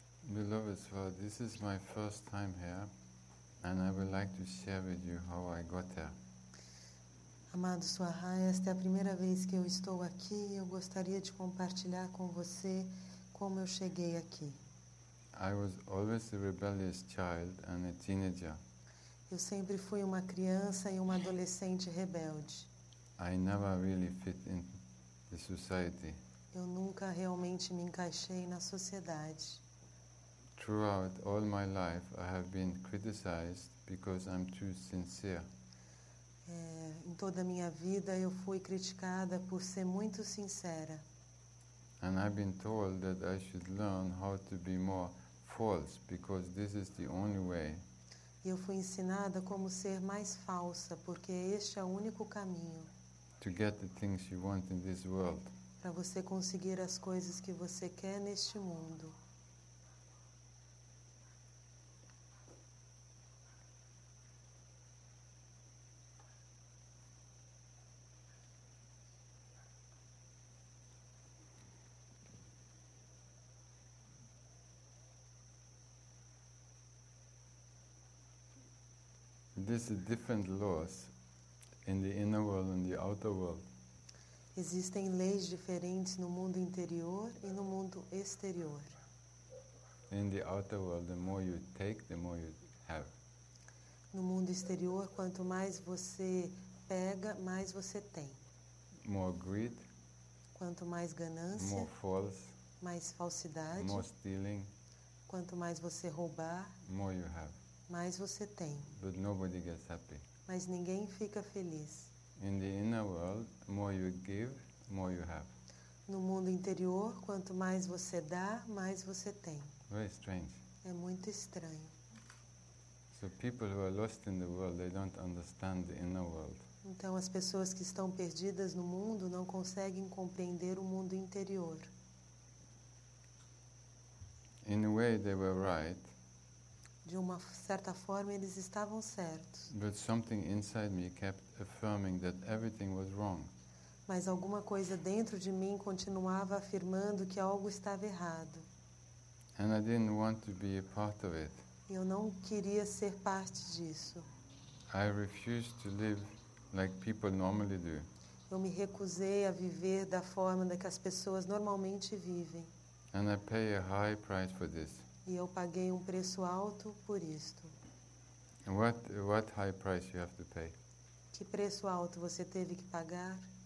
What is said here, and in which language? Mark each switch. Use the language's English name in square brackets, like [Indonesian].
[English] Beloved, well, this is my first time here, and I would like to share with you how I got here. [Portuguese] Amado Swahai, esta é a primeira vez que eu estou aqui e eu gostaria de compartilhar com você como eu cheguei aqui. [English] I was always a rebellious child and a teenager. [Portuguese] Eu sempre fui uma criança e uma adolescente rebelde. [English] I never really fit in the society. [Portuguese] Eu nunca realmente me encaixei na sociedade. [English] Throughout all my life, I have been criticized because I'm too sincere. [Portuguese] Em toda a minha vida eu fui criticada por ser muito sincera. [English] And I've been told that I should learn how to be more false, because this is the only way. [Portuguese] E eu fui ensinada como ser mais falsa, porque este é o único caminho. [English] To get the things you want in this world. [Portuguese] Para você conseguir as coisas que você quer neste mundo. [English] There's a different laws in the inner world and the outer world. [Portuguese] Existem leis diferentes no mundo interior e no mundo exterior. [English] In the outer world, the more you take, the more you have. [Portuguese] No mundo exterior, quanto mais você pega, mais você tem. [English] More greed. [Portuguese] Quanto mais ganância. [English] More false. [Portuguese] Mais falsidade. [English] More stealing. [Portuguese] Quanto mais você roubar. [English] More you have. [Portuguese] Mais você tem. [English] But nobody gets happy. [Portuguese] Mas ninguém fica feliz. [English] In the inner world, more you give, more you have. [Portuguese] No mundo interior, quanto mais você dá, mais você tem. [English] Very strange. [Portuguese] É muito estranho. [English] So people who are lost in the world, they don't understand the inner world. [Portuguese] Então as pessoas que estão perdidas no mundo não conseguem compreender o mundo interior. [English] In a way, they were right. [Portuguese] De uma certa forma, eles estavam certos. [English] But something inside me kept affirming that everything was wrong. [Portuguese] Mas alguma coisa dentro de mim continuava afirmando que algo estava errado. [English] And I didn't want to be a part of it. [Portuguese] Eu não queria ser parte disso. [English] I refused to live like people normally do. [Portuguese] Eu me recusei a viver da forma que as pessoas normalmente vivem. [English] And I pay a high price for this. [Portuguese] E eu paguei um preço alto por isto. [English] What high price you have to pay? [Portuguese] Que preço alto você teve que pagar?